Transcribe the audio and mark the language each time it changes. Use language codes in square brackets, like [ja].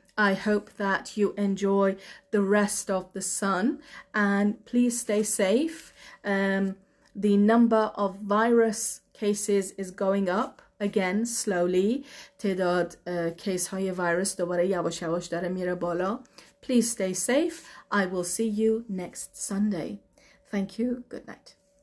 [en] I hope that you enjoy the rest of the sun. And please stay safe. The number of virus cases is going up. Again, slowly. [fa] تعداد کیس های ویروس دوباره یواش یواش داره میره بالا. [en] Please stay safe. I will see you next Sunday. Thank you. Good night.